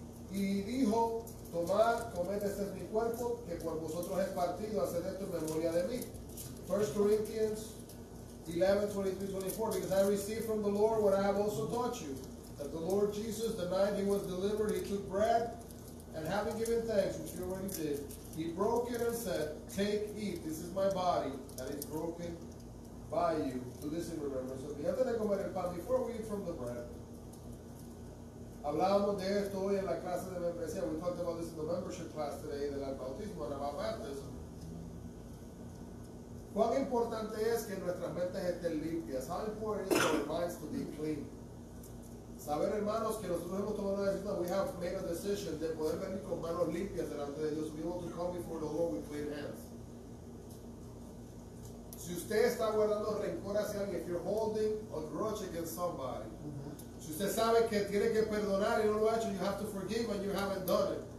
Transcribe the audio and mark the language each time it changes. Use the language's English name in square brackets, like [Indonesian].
[Spanish] Y dijo, tomad, comed, este es mi cuerpo, que por vosotros es partido, haced esto en memoria de mí. [English] 1 Corinthians 11, 23, 24, because I received from the Lord what I have also taught you, that the Lord Jesus, the night he was delivered, he took bread, and having given thanks, which he already did, he broke it and said, take, eat, this is my body, that is broken by you. Do this in remembrance of me. [Spanish] Antes de comer el pan, [English] before we eat from the bread, [Spanish] hablábamos de esto hoy en la clase de membresía. [English] We talked about this in the membership class today, [Spanish] del bautismo, [English] and about baptism. [Spanish] ¿Cuán importante es que nuestras mentes estén limpias? [English] How important is our minds to be clean? [Spanish] Saber, hermanos, que nosotros hemos tomado una decisión. [English] We have made a decision [Spanish] de poder venir con manos limpias delante de Dios. [English] We want to come before the Lord with clean hands. [Spanish] Si usted está guardando rencor hacia alguien, [English] if you're holding a grudge against somebody, [Spanish] si usted sabe que tiene que perdonar y no lo ha hecho, [English] you have to forgive and you haven't done it.